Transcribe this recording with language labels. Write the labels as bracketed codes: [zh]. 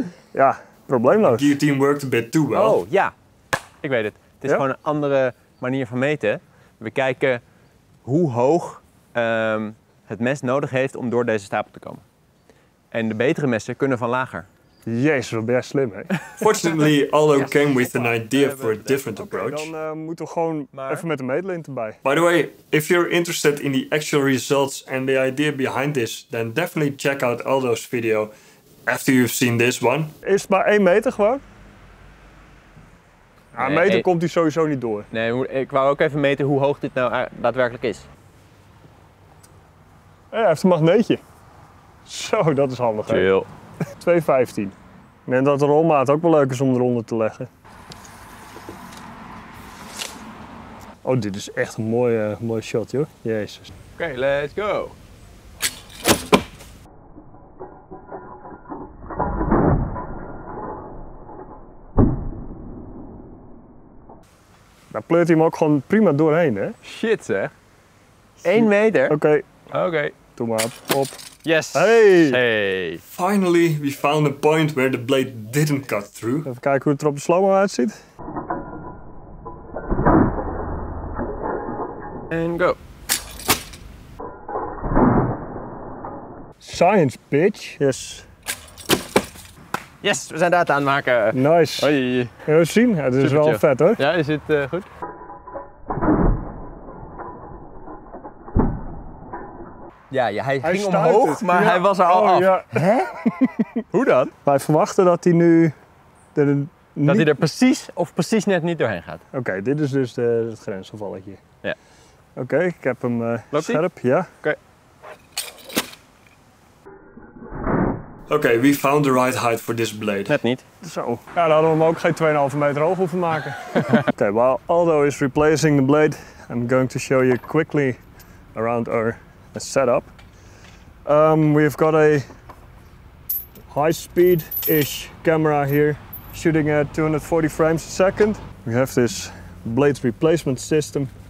[nl] Ja, probleemloos. [en] Your team worked a bit too well. [nl] Oh ja, ik weet het. Het is gewoon een andere manier van meten. We kijken hoe hoog het mes nodig heeft om door deze stapel te komen. En de betere messen kunnen van lager. Jezus, wat ben jij slim, hè? [en] Fortunately, Aldo came with an idea for a different approach. [nl] Okay, dan moeten we gewoon even met de meetlint erbij. [en] By the way, if you're interested in the actual results and the idea behind this, then definitely check out Aldo's video after you've seen this one. [nl] Is het maar 1 meter gewoon? Ja, nee, meter komt hij sowieso niet door. Nee, ik wou ook even meten hoe hoog dit nou daadwerkelijk is. Ja, hij heeft een magneetje. Zo, dat is handig. Chill. 2,15. Ik denk dat de rolmaat ook wel leuk is om eronder te leggen. Oh, dit is echt een mooie shot, joh. Jezus. [en] Oké, okay, let's go. [nl] Daar pleurt hij hem ook gewoon prima doorheen, hè? Shit, zeg. 1 meter? Oké. Okay. Oké. Okay. Doe maar op. Op. [en] Yes. Hey. Hey. Finally, we found a point where the blade didn't cut through. [nl] Even kijken hoe het er op de slow-mo uitziet. En go. [en] Science, bitch. Yes. [nl] Yes, we zijn data aan het maken. [en] Nice. [nl] Hoi. Je wilt zien? Het is wel vet, hoor. Ja, is het goed? Ja, ja, hij ging omhoog, het. Maar ja. Hij was er al af. Ja. Hè? Hoe dan? Wij verwachten dat hij nu... Dat hij er precies of precies net niet doorheen gaat. Oké, dit is dus het grensgevalletje. Ja. Oké, ik heb hem scherp. Ja. Oké. [en] Okay, we found the right height for this blade. [nl] Net niet. Zo. Ja, dan hadden we hem ook geen 2,5 meter hoog hoeven maken. [en] Okay, while Aldo is replacing the blade, I'm going to show you quickly around our setup. We've got a high-speed-ish camera here, shooting at 240 frames a second. We have this blade replacement system.